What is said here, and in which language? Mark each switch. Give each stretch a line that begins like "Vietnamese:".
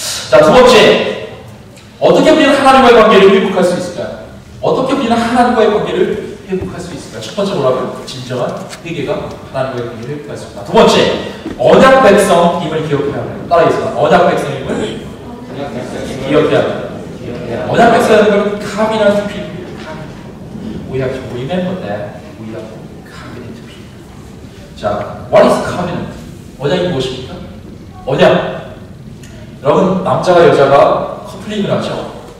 Korean: 자, 두 번째, 어떻게 우리는 하나님과의 관계를 회복할 수 있을까? 어떻게 우리는 하나님과의 관계를 회복할 수 있을까? 첫 번째 뭐라고요? 진정한 회개가 하나님과의 관계를 회복할 수 있을까? 두 번째, 언약 백성임을 기억해야 합니다. 따라해서 언약 백성임을 기억해야 합니다. 언약 백성이라는 것은
English: covenant people. We have to remember that we are covenant people.
Korean: 자,
English: what is covenant?
Korean: 언약이 무엇입니까? 언약. 여러분, 남자가 여자가 커플링을 하죠.